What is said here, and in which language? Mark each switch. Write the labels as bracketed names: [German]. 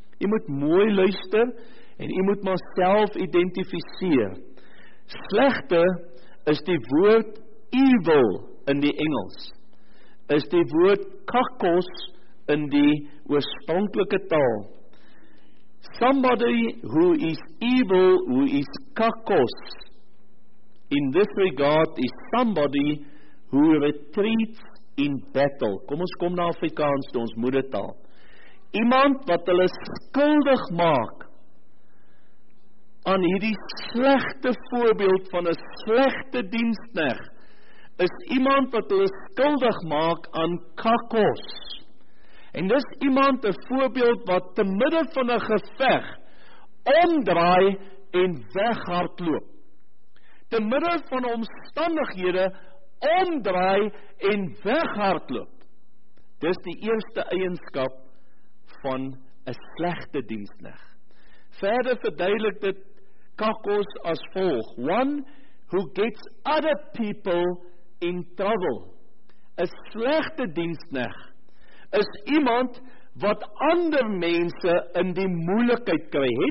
[Afrikaans] Jy moet mooi luister en jy moet maar self identifiseer. Slegte is die woord evil in die Engels, is die woord kakos in die oorspronklike taal. [English] Somebody who is evil, who is kakos, in this regard is somebody who retreats in battle. [Afrikaans] Kom ons kom na Afrikaans, to ons moedertaal. Iemand wat hulle skuldig maak aan hierdie slegte voorbeeld van 'n slegte diensknegt, is iemand wat hulle skuldig maak aan kakos. En dis iemand, 'n voorbeeld, wat te midde van 'n geveg omdraai en weghardloop. Te midde van omstandighede omdraai en weghardloop. Dis die eerste eienskap van 'n slegte diensknegt. Verder verduidelik dit kakos as volg: [English] one who gets other people in trouble. [Afrikaans] 'N Slegte diensknegt is iemand wat ander mense in die moeilikheid kry.